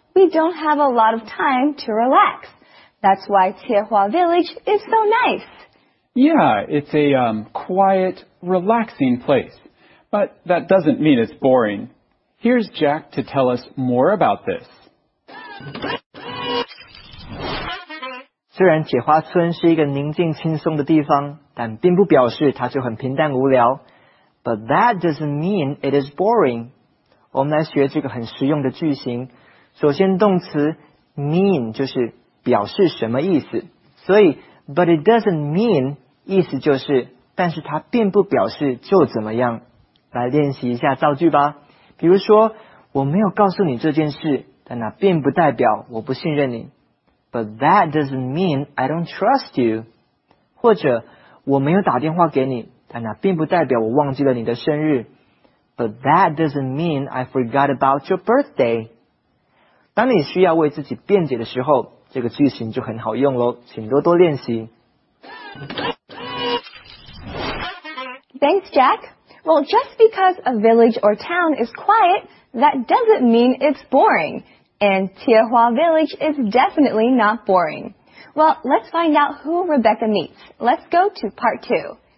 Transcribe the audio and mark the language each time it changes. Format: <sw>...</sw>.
<en>We don't have a lot of time to relax. That's why Tiehua Village is so nice. Yeah, it's a quiet, relaxing place. But that doesn't mean it's boring. Here's Jack to tell us more about this.</en> <zh>虽然铁花村是一个宁静轻松的地方，但并不表示它就很平淡无聊。</zh> <en>But that doesn't mean it is boring.</en> <zh>我们来学这个很实用的句型。首先动词 mean 就是表示什么意思。所以</zh> <en>but it doesn't mean</en> <zh>意思就是但是它并不表示就怎么样。来练习一下造句吧。比如说我没有告诉你这件事，但那并不代表我不信任你。</zh> <en>But that doesn't mean I don't trust you.</en> <zh>或者我没有打电话给你，但那并不代表我忘记了你的生日。</zh> <en>But that doesn't mean I forgot about your birthday.</en> <zh>当你需要为自己辩解的时候，这个句型就很好用咯，请多多练习。</zh> <en>Thanks, Jack. Well, just because a village or town is quiet, that doesn't mean it's boring. And Tiehua Village is definitely not boring. Well, let's find out who Rebecca meets. Let's go to part two.</en>